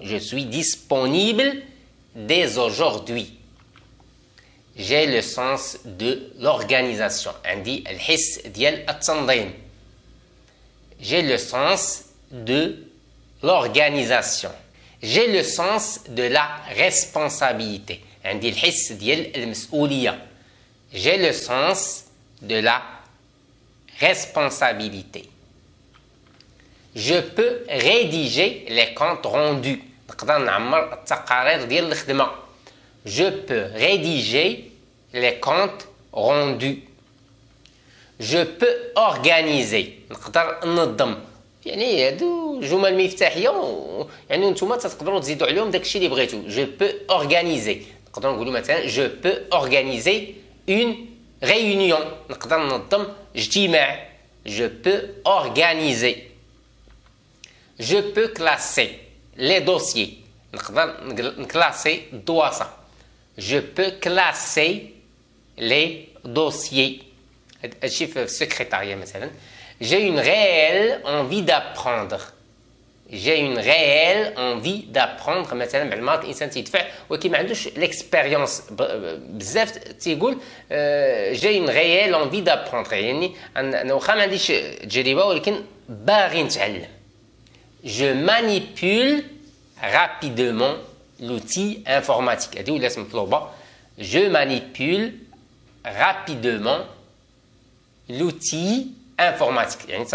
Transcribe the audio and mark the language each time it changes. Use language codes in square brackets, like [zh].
[fr] Je suis disponible dès aujourd'hui. J'ai le sens de l'organisation. [ar] عندي الحس ديال التنظيم. [fr] J'ai le sens de l'organisation. J'ai le sens de la responsabilité. [ar] عندي الحس ديال المسؤولية. [fr] J'ai le sens de la responsabilité. Je peux rédiger les comptes rendus. [ar] نقدر نعمر التقارير ديال الخدمة. [fr] Je peux rédiger les comptes rendus. Je peux organiser. [ar] نقدر ننظم. يعني هادو جمل مفتاحية يعني نتوما تقدروا تزيدوا عليهم داكشي اللي بغيتوا. [fr] Je peux organiser. [ar] نقدر نقولوا مثلا [fr] je peux organiser une réunion. [ar] نقدر ننظم اجتماع. [fr] Je peux organiser. Je peux classer les dossiers. [ar] نقدر نكلاسي الدواسة. [fr] Je peux classer les dossiers. [ar] هادشي في السكرتاريا مثلا. [fr] J'ai une réelle envie d'apprendre. J'ai une réelle envie d'apprendre. [ar] مثلا بعد ما الانسان تيدفع ولكن ما عندوش ليكسبيريونس بزاف تيقول [fr] j'ai une réelle envie d'apprendre. [ar] يعني انا واخا ما عنديش تجربة ولكن باغي نتعلم. [fr] Je manipule rapidement l'outil informatique. Je manipule rapidement l'outil informatique.